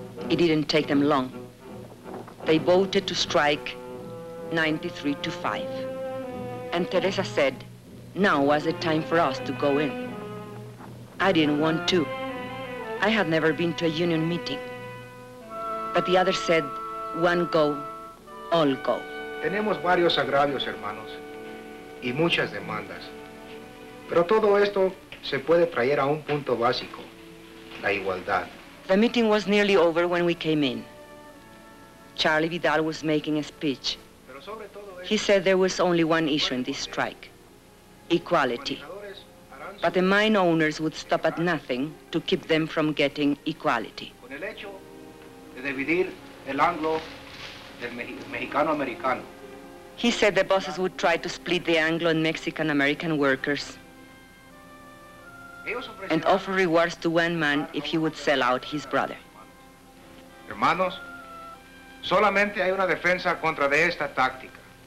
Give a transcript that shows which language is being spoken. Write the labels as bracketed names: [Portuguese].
[English] It didn't take them long. They voted to strike 93-5. And Teresa said, now was the time for us to go in. I didn't want to. I had never been to a union meeting. But the others said, one go, all go. [Spanish] Tenemos varios agravios, hermanos, y muchas demandas. Pero todo esto se puede traer a un punto básico, la igualdad. [English] The meeting was nearly over when we came in. Charlie Vidal was making a speech. He said there was only one issue in this strike, equality. But the mine owners would stop at nothing to keep them from getting equality. [Spanish] Con el hecho de dividir el Anglo del Mexicano-Americano. [English] He said the bosses would try to split the Anglo and Mexican-American workers and offer rewards to one man if he would sell out his brother. [Spanish] Hermanos, solamente hay una defensa contra de esta táctica.